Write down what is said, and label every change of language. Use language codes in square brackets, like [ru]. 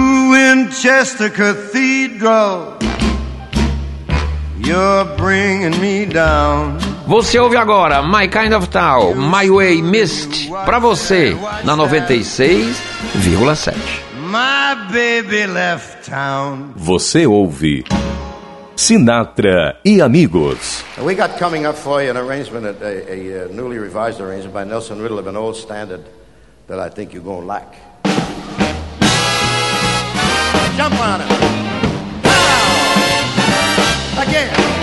[en] Winchester Cathedral, you're bringing me down. [pt] Você ouve agora My Kind of Town, My Way, Mist, pra você na 96,7. [en] My baby left town. [pt] Você ouve Sinatra e Amigos. [en] We got coming up for you an arrangement, a newly revised arrangement by Nelson Riddle of an old standard that I think you're gonna like. Jump on it. Again.